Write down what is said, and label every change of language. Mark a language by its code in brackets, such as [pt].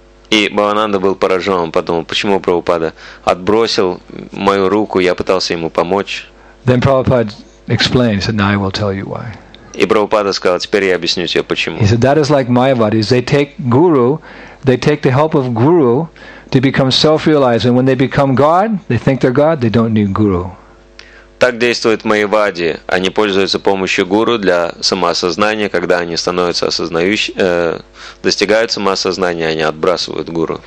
[ru] И Бхавананда был поражен, он подумал, почему Прабхупада отбросил мою руку, я пытался ему помочь. И Прабхупада сказал, теперь я объясню тебе почему. [en] He said, that is like Mayavadis. They take guru, they take the help of guru to become self-realized, and when they become God, they think they're God, they don't need guru. [ru] Так действуют майявади. Они пользуются помощью гуру для самоосознания. Когда они становятся осознающими, достигают самоосознания, они отбрасывают гуру.